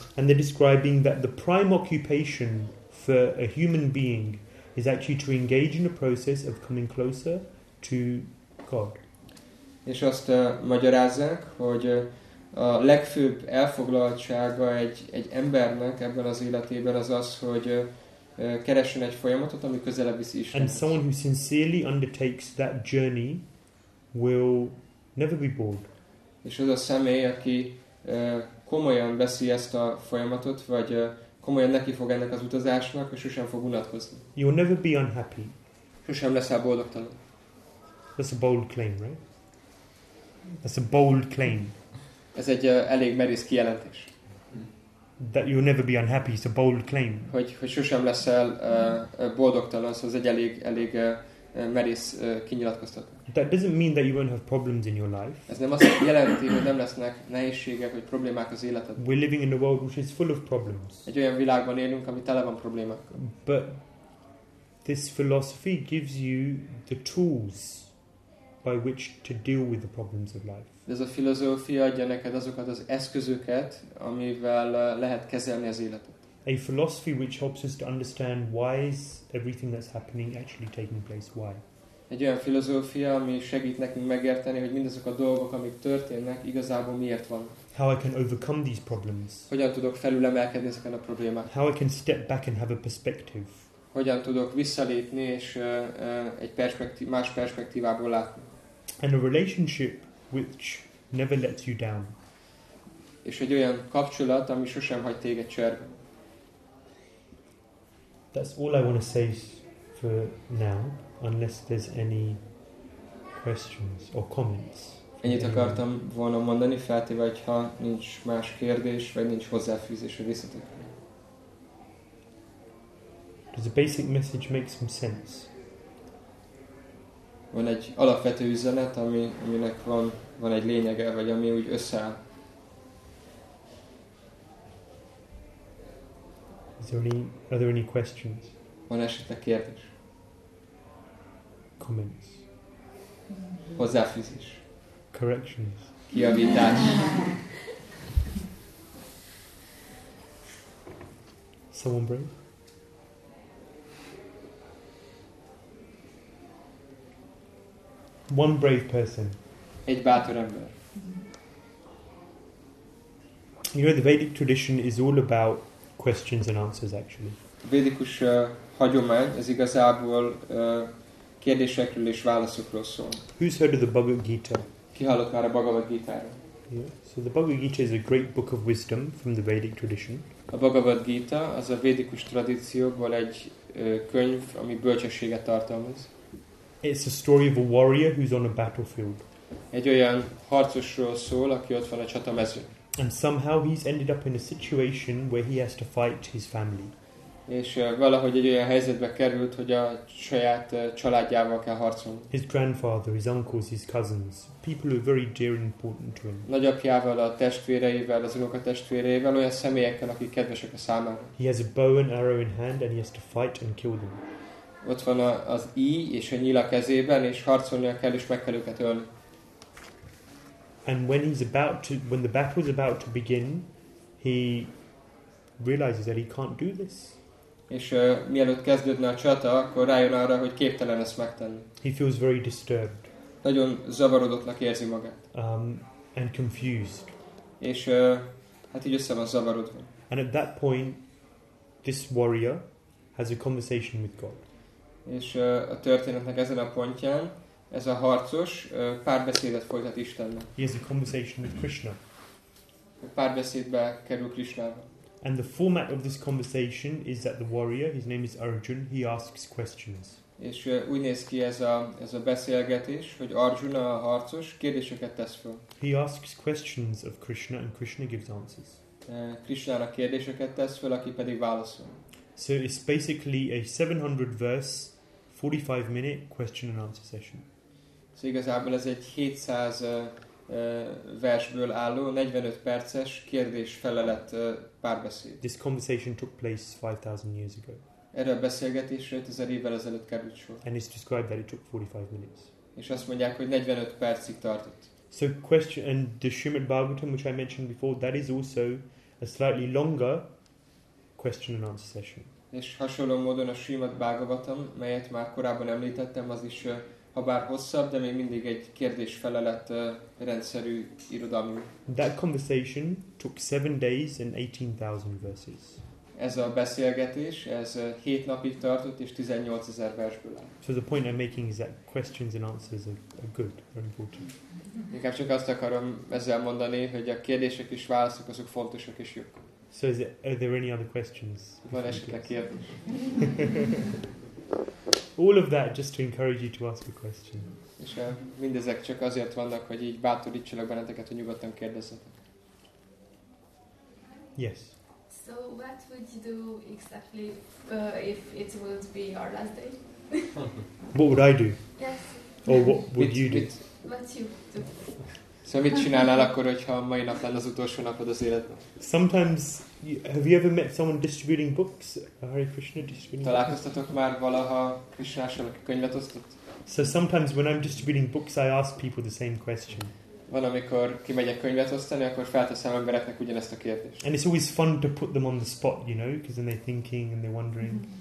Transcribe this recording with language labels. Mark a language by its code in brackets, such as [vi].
[en] And they're describing that the prime occupation for a human being is actually to engage in a process of coming closer to God. [hu] És azt magyarázzák, hogy a legfőbb elfoglaltsága egy embernek ebben az életében az, hogy keressen egy folyamatot, ami közelebb viszi Istenhez. [en] And someone who sincerely undertakes that journey will never be bored. [hu] És az a személy, aki komolyan veszi ezt a folyamatot, vagy komolyan neki fog ennek az utazásnak, és sosem fog unatkozni. [en] You'll never be unhappy. [hu] Sosem leszel boldogtalan. [en] That's a bold claim, right? That's a bold claim. [hu] Ez egy elég merész kijelentés. [en] That you'll never be unhappy is a bold claim. [hu] Hogy sosem leszel boldogtalan, szóval ez egy elég merész kinyilatkoztató. [en] That doesn't mean that you won't have problems in your life. [hu] Ez nem azt jelenti, hogy nem lesznek nehézségek, vagy problémák az életed. [en] We're living in a world which is full of problems. [hu] Egy olyan világban élünk, ami tele van problémákkal. [en] But this philosophy gives you the tools by which to deal with the problems of life. [hu] Ez a filozófia adja neked azokat az eszközöket, amivel lehet kezelni az életet. [en] a philosophy which helps us to understand why is everything that's happening actually taking place, why. [hu] Egy olyan filozófia, ami segít nekünk megérteni, hogy mindazok a dolgok, amik történnek, igazából miért van. [en] How I can overcome these problems. [hu] Hogyan tudok felülemelkedni ezeken a problémákon. [en] How I can step back and have a perspective. [hu] Hogyan tudok visszalépni és egy perspektív, más perspektívából látni. [en] And a relationship which never lets you down. [hu] És egy olyan kapcsolat, ami sosem hagy téged cserbe. [en] That's all I want to say for now, unless there's any questions or comments. [hu] Ennyit akartam volna mondani, feltéve, hogyha nincs más kérdés, vagy nincs hozzáfűzés a részletekre. [en] Does the basic message make some sense? [hu] Van egy alapvető üzenet, aminek van egy lényege, vagy ami úgy összeáll. [en] Are there any questions? [hu] Van esetleg kérdés? [en] Comments. [hu] Hozzáfűzés. [en] Corrections. [hu] Kijavítás. [en] Someone brave? One brave person. [hu] Egy bátor ember. [en] You know, the Vedic tradition is all about questions and answers, actually. [hu] Védikus hagyomány, ez igazából kérdésekről és válaszokról szól. [en] Who's heard of the Bhagavad Gita? [hu] Ki hallott már a Bhagavad Gita-ról? [en] Yeah. So the Bhagavad Gita is a great book of wisdom from the Vedic tradition. [hu] A Bhagavad Gita az a védikus tradícióból egy könyv, ami bölcsességet tartalmaz. [en] It's a story of a warrior who's on a battlefield. [hu] Egy olyan harcosról szól, aki ott van a csatamezőn. [en] And somehow he's ended up in a situation where he has to fight his family. [hu] És valahogy egy olyan helyzetbe került, hogy a saját családjával kell harcolni. [en] His grandfather, his uncles, his cousins, people who are very dear and important to him. [hu] Nagyapjával, a testvéreivel, az unokatestvéreivel, olyan személyekkel, akik kedvesek a számára. [en] He has a bow and arrow in hand and he has to fight and kill them. [hu] Ott van az íj és a nyíl a kezében, és harcolnia kell és meg kell őket ölni. [en] And when he's about to, when the battle is about to begin, he realizes that he can't do this. [hu] És mielőtt kezdődne a csata, akkor rájön arra, hogy képtelen ezt megtenni. [en] He feels very disturbed. [hu] Nagyon zavarodottnak érzi magát. [en] And confused. [hu] És hát így össze van zavarodva. [en] And at that point, this warrior has a conversation with God. [hu] És a történetnek ezen a pontján, ez a harcos párbeszédet folytat Istennel. [en] He has a conversation with Krishna. [hu] Párbeszédbe kerül Krishnával. [en] And the format of this conversation is that the warrior, his name is Arjun, he asks questions. [hu] És úgy néz ki ez a beszélgetés, hogy Arjuna a harcos kérdéseket tesz fel. [en] He asks questions of Krishna and Krishna gives answers. [hu] Krishnának kérdéseket tesz fel, aki pedig válaszol. [en] So it's basically a 700 verse, 45 minute question and answer session. [hu] So igazából ez egy 700 versből álló 45 perces kérdés-felelet párbeszéd. [en] This conversation took place 5000 years ago. [hu] Erre a beszélgetésre 5000 évvel ezelőtt került sor. [en] And it's described that it took 45 minutes. [hu] És azt mondják, hogy 45 percig tartott. [en] So question and the Srimad Bhagavatam, which I mentioned before, that is also a slightly longer question and answer session. [hu] És hasonló módon a Srimad Bhagavatam, melyet már korábban említettem, az is habár hosszabb, de még mindig egy kérdés-felelet rendszerű irodalmi. [en] That conversation took 7 days and 18,000 verses. [hu] Ez a beszélgetés, ez 7 napig tartott és 18,000 versből áll. [en] So the point I'm making is that questions and answers are good, are important. [hu] Inkább csak azt akarom ezzel mondani, hogy a kérdések és válaszok azok fontosak és jók. [en] So is are there any other questions? [hu] Van esetleg kérdés? [en] All of that just to encourage you to ask a question. [hu] És mindezek csak azért vannak, hogy így bátorítsalak benneteket, hogy nyugodtan kérdezzetek. [en] Yes. So what would you do exactly if it would be our last day? What would I do? Yes. Or what would you do? What you do? [hu] So mit csinálnál akkor, hogyha a mai nap lenne az utolsó napod az életben? [en] Sometimes, have you ever met someone distributing books? Hare Krishna distributing books? [hu] Találkoztatok már valaha Krishnással, aki könyvet osztott? [en] So sometimes when I'm distributing books, I ask people the same question. [hu] van, amikor kimegyek könyvet osztani, akkor felteszem embereknek ugyanezt a kérdést. [en] And it's always fun to put them on the spot, you know, because then they're thinking and they're wondering.